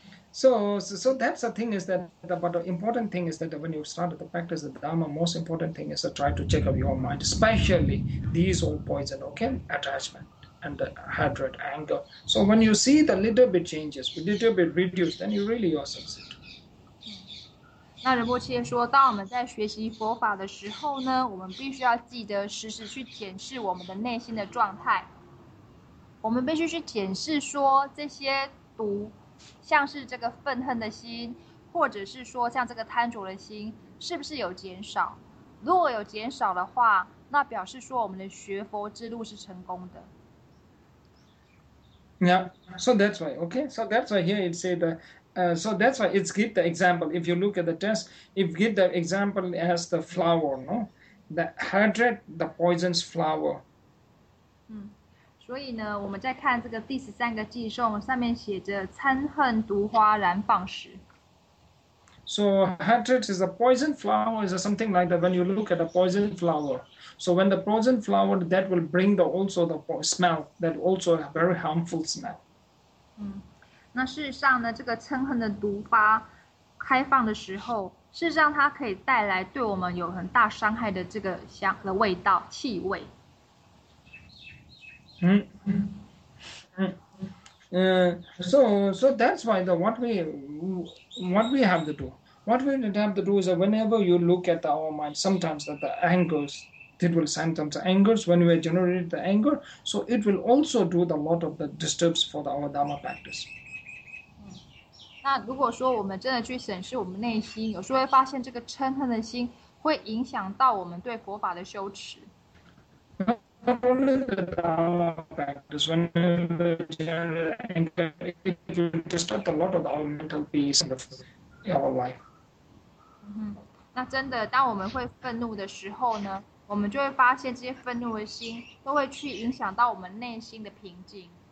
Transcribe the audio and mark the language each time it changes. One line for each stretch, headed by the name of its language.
English: So that's the thing is that but the important thing is that when you start the practice of the Dharma, most important thing is to try to check up your mind, especially these old poison, okay? Attachment. and the hatred, anger. So when you see the little bit changes, little bit reduced, then you really are succeeding.
Chinese: 那仁波切说，当我们在学习佛法的时候呢，我们必须要记得时时去检视我们的内心的状态。我们必须去检视说，这些毒，像是这个愤恨的心，或者是说像这个贪着的心，是不是有减少？如果有减少的话，那表示说我们的学佛之路是成功的。
English: Yeah, so that's why, okay? So that's why here it say that, so that's why it's give the example. If you look at the test, if give the example as the flower, no? The hatred, the poisonous flower.
Chinese: 所以呢，我们再看这个第十三个偈颂，上面写着嗔恨毒花燃放时。
English: So hatred is a poison flower, is something like that. When you look at a poison flower, so when the poison flower, that will bring the also the smell, that also a very harmful smell.
Chinese: 那事实上呢，这个嗔恨的毒花开放的时候，事实上它可以带来对我们有很大伤害的这个香的味道气味。
English: So that's why the what we have to do. What we have to do is that whenever you look at our mind, sometimes that the angers, it will sometimes the angers, when we generate the anger, so it will also do the lot of the disturbs for the, our Dharma practice.
Chinese: 那如果说我们真的去审视我们内心，有时候会发现这个嗔恨的心会影响到我们对佛法的修持。
English: Not only the Dharma practice, when the general anger, it will disturb a lot of our mental peace and our life.
Chinese: 那真的，当我们会愤怒的时候呢，我们就会发现这些愤怒的心都会去影响到我们内心的平静。